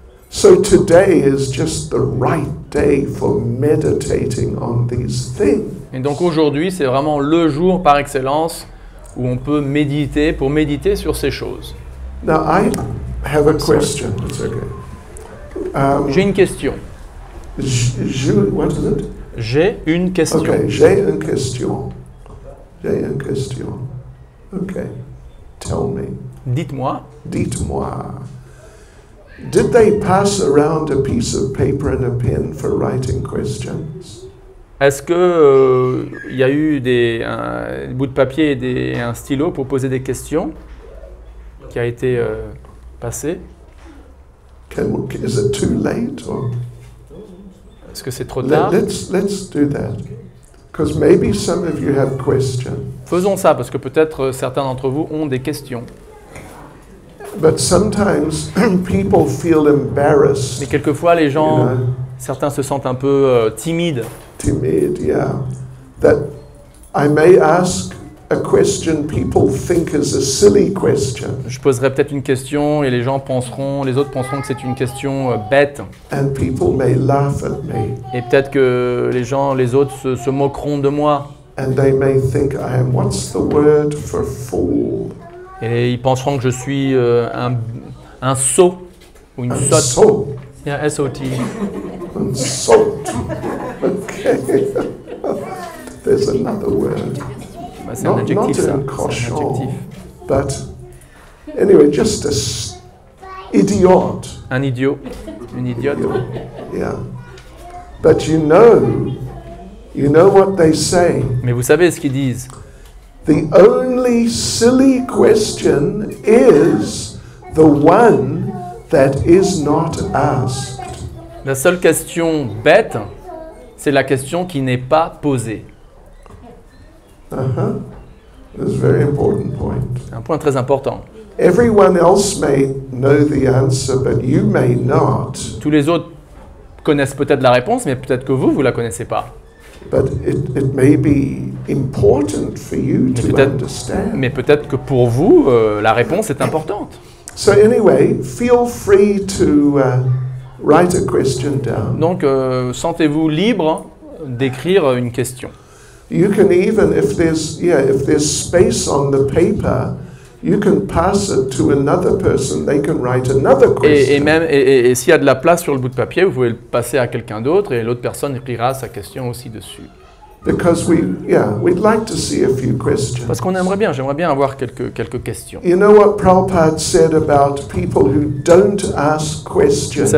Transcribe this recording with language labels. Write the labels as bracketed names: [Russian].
[English] So today is just the right day for meditating on these things. [French] Et donc aujourd'hui, c'est vraiment le jour par excellence où on peut méditer pour méditer sur ces choses. [English] Now I have a question. It's okay. [French] J'ai une question. J'ai une question. Okay, j'ai une question. J'ai une question. Okay. [English] Tell me. [French] Dites-moi. [English] Did they pass around a piece of paper and a pen for writing questions? [French] Est-ce que il y a eu des bouts de papier et un stylo pour poser des questions qui a été passé? [English] Is it too late or? [French] Est-ce que c'est trop tard? [English] Let's do that, because maybe some of you have questions. [French] Faisons ça parce que peut-être certains d'entre vous ont des questions. [English] But sometimes people feel embarrassed. [French] Mais quelquefois les gens, [English] you know? [French] Certains se sentent un peu timides. [English] Timid, yeah. That I may ask a question people think is a silly question. [French] Je poserai peut-être une question et les autres penseront que c'est une question bête. [English] And people may laugh at me. [French] Et peut-être que les autres se moqueront de moi. [English] And they may think I am, what's the word for fool? [French] Et ils penseront que je suis un sot ou une sotte. Un sot. [English] Yeah, S-O-T. Un sot. Okay. There's another word. [French] C'est [English] not [French] ça. [English] Not un cochon. But anyway, just an idiot. [French] Un idiot. Une idiote. Idiot. [English] Yeah. But you know what they say. [French] Mais vous savez ce qu'ils disent. [English] The only silly question is the one that is not asked. [French] La seule question bête, c'est la question qui n'est pas posée. [English] Uh-huh. That's a very important point. [French] Un point très important. [English] Everyone else may know the answer, but you may not. [French] Tous les autres connaissent peut-être la réponse, mais peut-être que vous la connaissez pas. [English] But it may be important for you to understand. [French] Mais peut-être que pour vous, la réponse est importante. [English] So anyway, feel free to write a question down. [French] Donc sentez-vous libre d'écrire une question. [English] You can even if there's space on the paper, you can pass it to another person. They can write another question. [French] Et s'il y a de la place sur le bout de papier, vous pouvez le passer à quelqu'un d'autre et l'autre personne écrira sa question aussi dessus. [English] Because we'd like to see a few questions. [French] Parce qu'on aimerait bien, j'aimerais bien avoir quelques questions. [English] You know what Prabhupada said about people who don't ask questions?